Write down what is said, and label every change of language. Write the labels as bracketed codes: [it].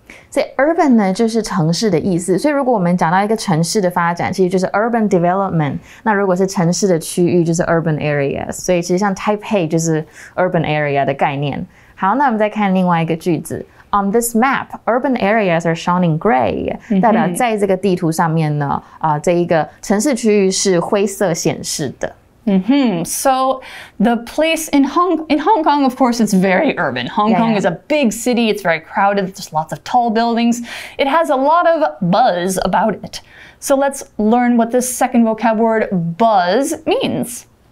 [zh] 所以 urban 呢就是城市的意思。所以如果我们讲到一个城市的发展，其实就是 [en] urban development。 [zh] 那如果是城市的区域，就是 [en] urban area。 [zh] 所以其实像 Taipei 就是 urban area 的概念。好，那我们再看另外一个句子。 [en] On this map, urban areas are shown in gray. [zh] 代表在这个地图上面呢，这一个城市区域是灰色显示的。 Mm-hmm. [en] So the place in Hong Kong, of course, it's very urban. Hong Kong is a big city. It's very crowded. There's lots of tall buildings. It has a lot of buzz about it. So let's learn what this second vocab word buzz means.